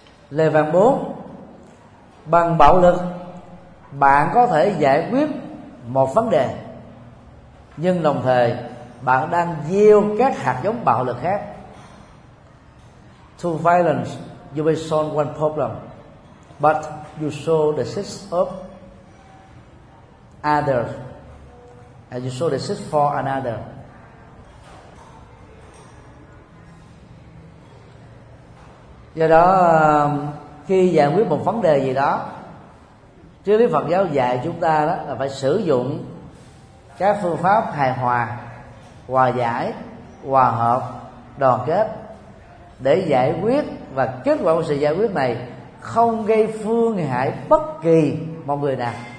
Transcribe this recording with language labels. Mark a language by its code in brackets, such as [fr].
[vi] Lời vàng 4: bằng bạo lực bạn có thể giải quyết một vấn đề, nhưng đồng thời bạn đang gieo các hạt giống bạo lực khác. [en] To violence you may solve one problem, but you sow the seeds of others, and you sow the seeds for another. [vi] Do đó khi giải quyết một vấn đề gì đó, triết lý Phật giáo dạy chúng ta đó là phải sử dụng các phương pháp hài hòa, hòa giải, hòa hợp, đoàn kết để giải quyết, và kết quả của sự giải quyết này không gây phương hại bất kỳ một người nào.